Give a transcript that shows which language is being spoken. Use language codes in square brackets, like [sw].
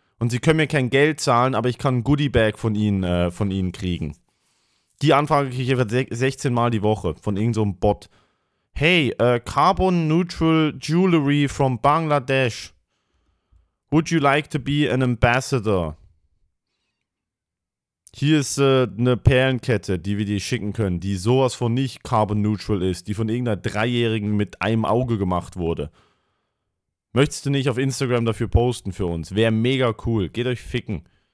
[de] Und sie können mir kein Geld zahlen, aber ich kann ein Goodiebag von ihnen kriegen. Die Anfrage kriege ich etwa 16 Mal die Woche von irgendeinem Bot. [en] Hey, Carbon Neutral Jewelry from Bangladesh. Would you like to be an ambassador? [de] Hier ist eine Perlenkette, die wir dir schicken können, die sowas von nicht Carbon Neutral ist, die von irgendeiner Dreijährigen mit einem Auge gemacht wurde. Möchtest du nicht auf Instagram dafür posten für uns? Wäre mega cool. Geht euch ficken.